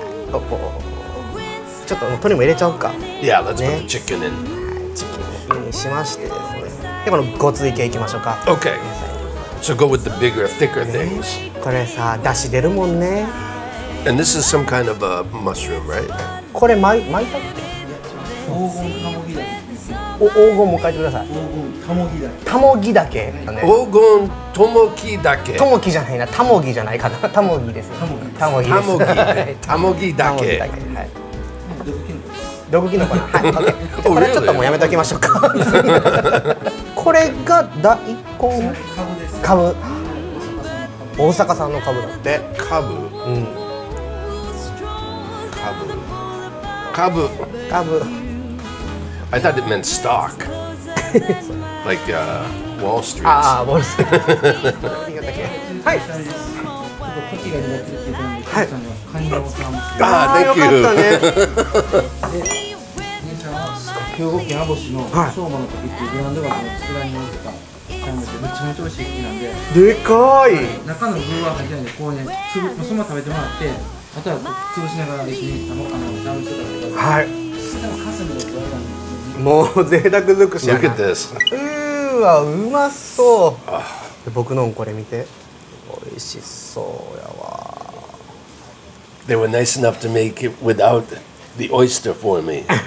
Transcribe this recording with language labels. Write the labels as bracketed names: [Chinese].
[Japanese] ちょっと鶏も入れちゃおうか。 [English] Yeah, let's、ね、put the chicken in. [Japanese] チキンを入れしましてですね。で、このごつい系いきましょうか。 [English] Okay. So go with the bigger, thicker things. [Japanese] これさ、出汁出るもんね。 [English] And this is some kind of a mushroom, right? [Japanese] これ、マイタケ？黄金タモギダケ。黄金も書いてください。黄金タモギダケ。黄金トモキダケ。トモキじゃないな、タモギじゃないかな。タモギです。タモギ。タモギ。タモギダケ。はい。毒キノコ。はい。 [English] OK。 [Japanese] これちょっともうやめときましょうか。これが大根？株。大阪さんの株だって。株、うん、株株株。 [English] I thought it meant stock. Like Wall Street. Ah, Ah, thank you. Ah, thank you. Ah, thank you. Ah, thank you. [Japanese] あとは潰しながらですね、あのダウンしてたんですけど、はい、もう贅沢尽くしやな。 [English] Look at this. [Japanese] うーわ、うまそう。僕のこれ見て、おいしそうやわ。 [English] They were nice enough to make it without the oyster for me.